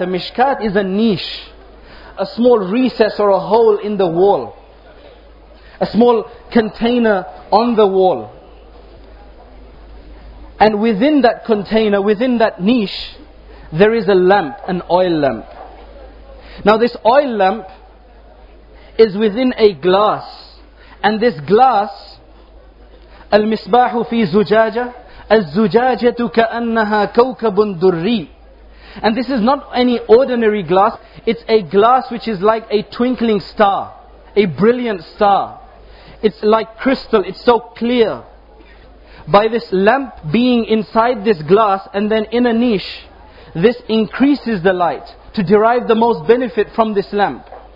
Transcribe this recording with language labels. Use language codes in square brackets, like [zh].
[en] A mishkat is a niche, a small recess or a hole in the wall, a small container on the wall. And within that container, within that niche, there is a lamp, an oil lamp. Now this oil lamp is within a glass. And this glass, [ar] الْمِصْبَاحُ فِي زُجَاجَةٍ الزُّجَاجَةُ كَأَنَّهَا كَوْكَبٌ دُرِّي. [en] And this is not any ordinary glass. It's a glass which is like a twinkling star, a brilliant star. It's like crystal, it's so clear. By this lamp being inside this glass and then in a niche, this increases the light to derive the most benefit from this lamp.